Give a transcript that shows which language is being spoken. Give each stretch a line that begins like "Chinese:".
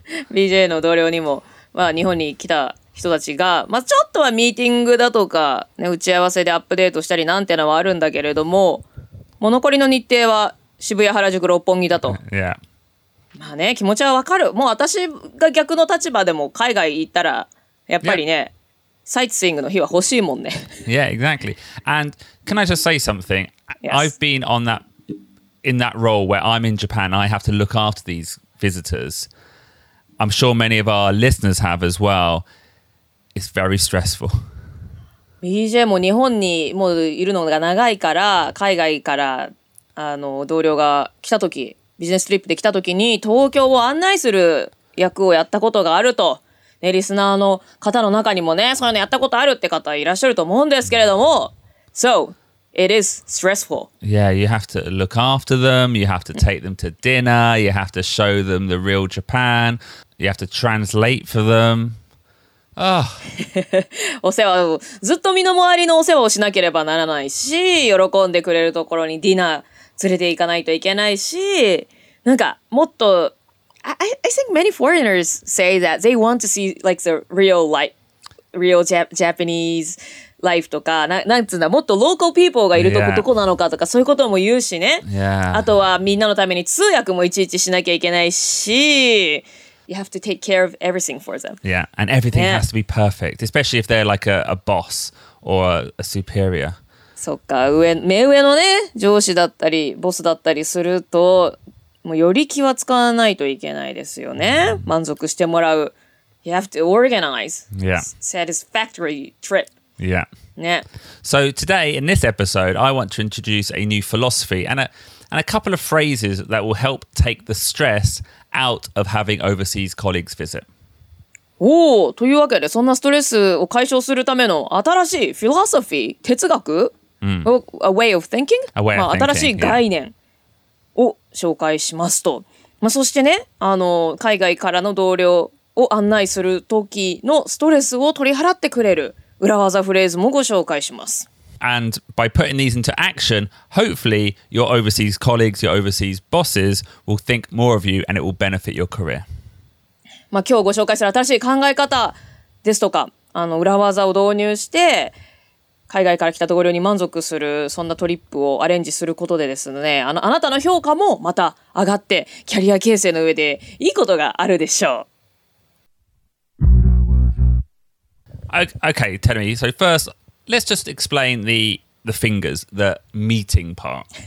Japanese: BJ の同僚にも、まあ、日本に来た人たちが、まあ、ちょっとはミーティングだとか、ね、打ち合わせでアップデートしたりなんてのはあるんだけれども、もう残りの日程は渋谷原宿六本木だと。
English: Yeah.
Japanese: まあね、気持ちはわかる。もう私が逆の立場でも海外行ったら、やっぱりね、
English: yeah.
Japanese: サイトスイングの日は欲しいもんね。
English: Yeah, exactly. And can I just say something? Yes. I've been on that, in that role where I'm in Japan, I have to look after these visitors. I'm sure many of our listeners have as well. It's very stressful.
Japanese: BJ も日本にもういるのが長いから、海外からあの同僚が来た時、ビジネストリップで来た時に東京を案内する役をやったことがあると、ね、リスナーの方の中にもね、そういうのやったことあるって方いらっしゃると思うんですけれども、
English: So it is stressful. Yeah, you have to look after them. You have to take them to dinner. You have to show them the real Japan. You have to translate for them.
Japanese: お世話をずっと身の回りのお世話をしなければならないし、喜んでくれるところにディナー連れて行かないといけないし、なんかもっと
English: I think many foreigners say that they want to see like the real life, real Japanese life
Japanese: とか、なんつうんだ、もっとローカルピーポーがいるとこどこなのかとか、そういうことも言うしね。
English: Yeah.
Japanese: あとはみんなのために通訳もいちいちしなきゃいけないし、
English: You have to take care of everything for them. Yeah, and everything yeah. has to be perfect, especially if they're like a boss or a superior.
Japanese: そっか、上、目上のね、上司だったり、ボスだったりすると、もうより気は使わないといけないですよね。満足してもらう。
English: You have to organize. Yeah. Satisfactory trip. Yeah. Yeah. So today, in this episode, I want to introduce a new philosophy and a couple of phrases that will help take the stress... out of having overseas colleagues visit.
Japanese: おお、というわけで、そんなストレスを解消するための新しいフィロソフィー、哲学、 mm.
English: A way of thinking? A way of thinking,
Japanese: 新しい概念を紹介しますと。
English: Yeah.
Japanese: まあ、そしてね、あの、海外からの同僚を案内する時のストレスを取り払ってくれる裏技フレーズもご紹介します。
English: And by putting these into action, hopefully your overseas colleagues, your overseas bosses will think more of you and it will benefit your career.
Japanese: まあ今日ご紹介する新しい考え方ですとか、あの裏技を導入して、海外から来たところに満足する、そんなトリップをアレンジすることでですね、あの、あなたの評価もまた上がって、キャリア形成の上でいいことがあるでしょう。
English: Okay, tell me. So first... Let's just explain the fingers, the meeting part.